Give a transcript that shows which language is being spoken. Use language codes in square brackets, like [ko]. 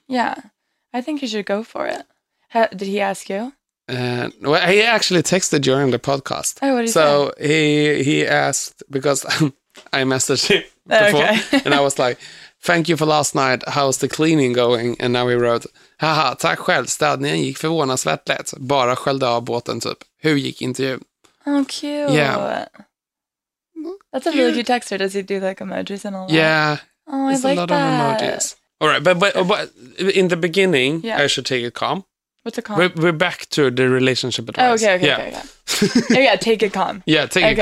[en] Yeah. I think you should go for it. Did he ask you? Well, he actually texted during the podcast. Oh, what did he say? So he asked because I messaged him before. Okay. And I was like, thank you for last night. How's the cleaning going? And now he wrote, haha, [sv] tack själv. Städningen gick förvånansvärt lätt. Bara skällde av båten typ. Hur gick intervjun? [en] Oh, cute. Yeah. That's a really cute texter. Does he do, like, emojis and all that? Yeah. Oh, I like that. There's a lot of emojis. All right, but in the beginning, yeah. I should take it calm. What's a calm? We're back to the relationship advice. Oh, okay. Oh, yeah, take it calm. Yeah, take okay,